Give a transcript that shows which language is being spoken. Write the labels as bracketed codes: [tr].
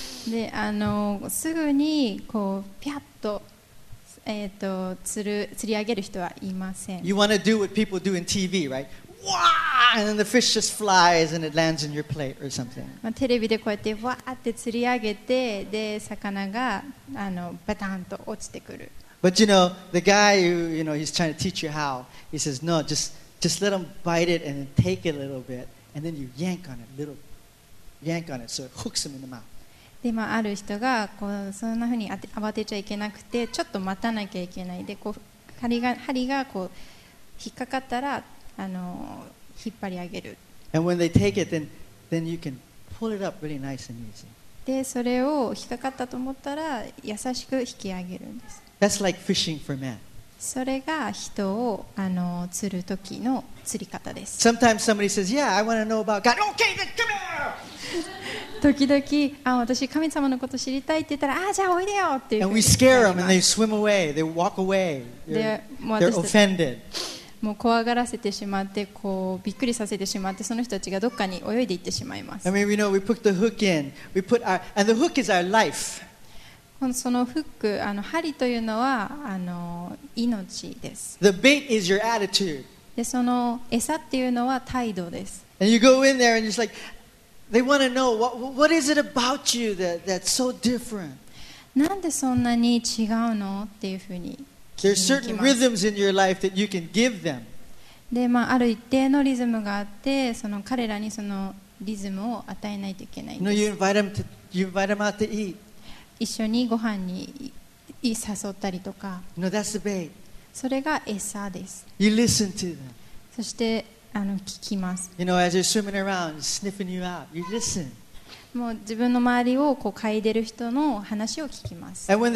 [ja] で、すぐにこうピャッと釣り上げる人はいません。 [en] You want to do what people do in TV, right? Wah! And then the fish just flies and it lands in your plate or something. [ja] まあ、テレビでこうやってわーって釣り上げて、で魚がバタンと落ちてくる。 [en] But you know, the guy who, you know, he's trying to teach you how, he says, no, just let him bite it and then take it a little bit. And then you yank on it, yank on it, so it hooks him in the mouth. [ja] で、まあ、ある人がこうそんな風に慌てちゃいけなくて、ちょっと待たなきゃいけないで、こう針がこう引っかかったら引っ張り上げる。 [en] And when they take it, then you can pull it up really nice and easy. [ja] で、それを引っかかったと思ったら優しく引き上げるんです。 [en] That's like fishing for men. [ja] それが人を釣る時の釣り方です。 [en] Sometimes somebody says, "Yeah, I want to know about God." Okay, then come here. [ja] 時々、私神様のこと知りたいって言ったら、じゃあおいでよっていう。 [en] And we scare them, and they swim away. They walk away. They're offended. [ja] もう怖がらせてしまって、こうびっくりさせてしまって、その人たちがどっかに泳いで行ってしまいます。 [en] I mean, we know we put the hook in. We put our and the hook is our life. [ja] そのフック、針というのは命です。 [en] The bait is your attitude. [ja] で、その餌っていうのは態度です。 [en] And you go in there and it's like, they want to know, what is it about you that's so different? [ja] なんでそんなに違うのっていうふうに [en] There are certain rhythms in your life that you can give them. [ja] で、まあ、ある一定のリズムがあって、その彼らにそのリズムを与えないといけないんです。 [en] No, you invite them to, you invite them out to eat. [ja] 一緒にご飯に誘ったりとか。 [en] No, that's the bait. [ja] それが餌です。 [en] You listen to them. [ja] そして聞きます。 [en] You know, as you're swimming around, sniffing you out, you listen. [ja] もう自分の周りをこう嗅いでる人の話を聞きます。